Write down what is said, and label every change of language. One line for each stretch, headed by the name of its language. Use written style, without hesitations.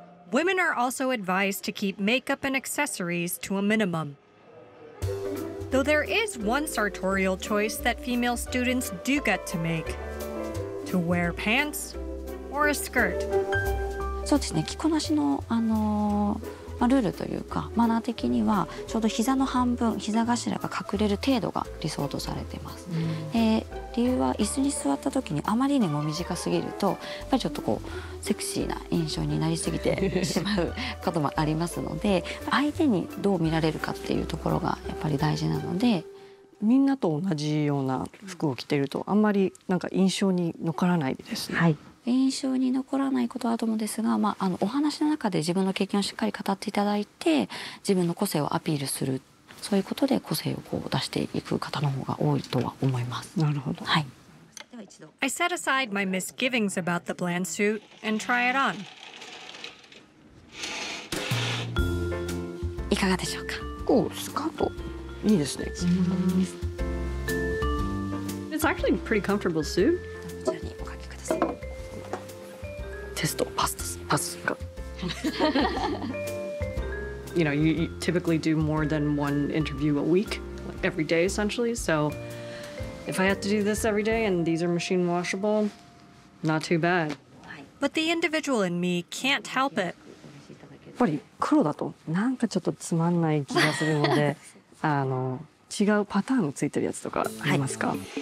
English: Women are also advised to keep makeup and accessories to a minimum. Though there is one sartorial choice that female students do get to make, to wear pants or a skirt.
Japanese: そうですね、着こなしの、まあ、ルールというかマナー的にはちょうど膝の半分、膝頭が隠れる程度が理想とされています。理由は椅子に座った時にあまりにも短すぎるとやっぱりちょっとこうセクシーな印象になりすぎてしまうこともありますので相手にどう見られるかっていうところがやっぱり大事なので、みんなと同じような服を着てるとあんまりなんか印象に残らないですね、はい、印象に残らないことはあると思うんですが、まあ、お話の中で自分の経験をしっかり語っていただいて自分の個性をアピールする、そういうことで個性をこう出していく方の方が多いとは思います。なるほど。はい。
English: I set aside my misgivings about the bland suit and try it on.
Japanese: いかがでしょうか。こうスカートいいですね。
English: It's actually a pretty comfortable suit.
Japanese: こちらにお書きください。テストパスです。パスか。
English: You know, you typically do more than one interview a week, like every day essentially. So if I have to do this every day and these are machine washable, not too bad. But the individual in me can't help it.
Japanese: やっぱり黒だとなんかちょっとつまんない気がするので、違うパターンのついてるやつとかありますか？